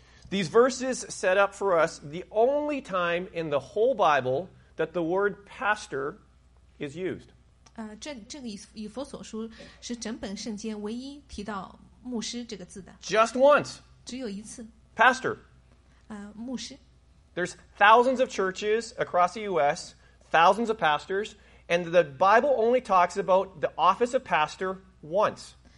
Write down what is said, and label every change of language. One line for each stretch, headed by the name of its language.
English: These verses set up for us the only time in the whole Bible that the word pastor is used.
Chinese: 这个以弗所书是整本圣经唯一提到牧师这个字的.
English: Just once.
Chinese: 只有一次.
English: Pastor.
Chinese: 牧师.
English: There's thousands of churches across the U.S., thousands of pastors, and the Bible only talks about the office of pastor once.